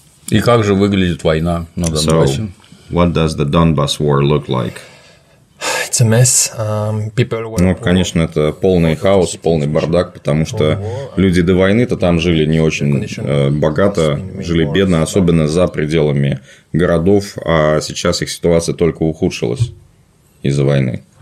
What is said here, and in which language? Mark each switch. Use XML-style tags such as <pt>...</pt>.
<ru>И как же выглядит война на Донбассе?</ru> <en>So, what does the Donbass war look like? It's a mess.</en> <ru>Ну, конечно, это полный хаос, полный бардак, потому что люди до войны-то там жили не очень богато, жили бедно, особенно за пределами городов, а сейчас их ситуация только ухудшилась из-за войны.</ru>